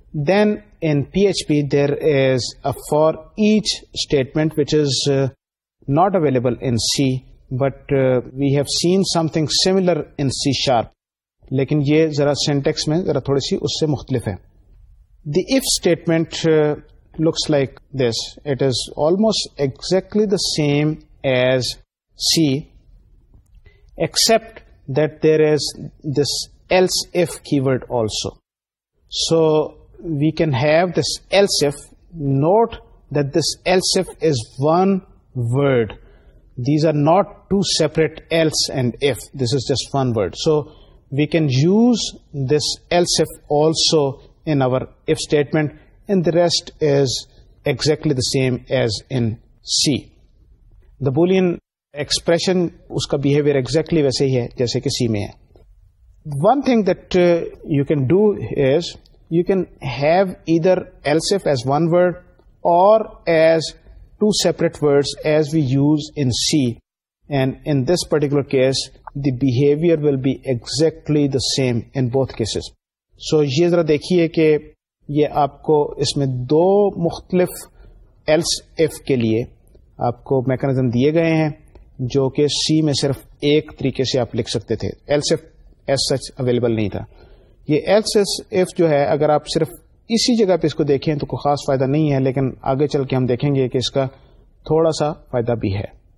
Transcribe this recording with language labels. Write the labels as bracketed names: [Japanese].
[English] Then in PHP there is a for each statement which is not available in C, but we have seen something similar in C sharp. [Urdu] لیکن یہ ذرا syntax میں ذرا تھوڑی سی اس سے مختلف ہے. [English] The if statement looks like this. It is almost exactly the same as C, except that there is this else if keyword also. So we can have this else if. Note that this else if is one word. These are not two separate else and if. This is just one word. So we can use this else if also in our if statement, and the rest is exactly the same as in C. The Boolean expression, [Urdu] uska behavior exactly waise hi hai, jaise ki C mein hai. [English] One thing that you can do is, you can have either else if as one word, or as two separate words as we use in C. And in this particular case, the behavior will be exactly the same in both cases. [Urdu] So, ye zara dekhiye ke, یہ آپ کو اس میں دو مختلف else if کے لیے آپ کو mechanism دیے گئے ہیں جو کہ سی میں صرف ایک طریقے سے آپ لکھ سکتے تھے. Else if as such available نہیں تھا. یہ ایلس ایف جو ہے اگر آپ صرف اسی جگہ پہ اس کو دیکھیں تو کوئی خاص فائدہ نہیں ہے, لیکن آگے چل کے ہم دیکھیں گے کہ اس کا تھوڑا سا فائدہ بھی ہے.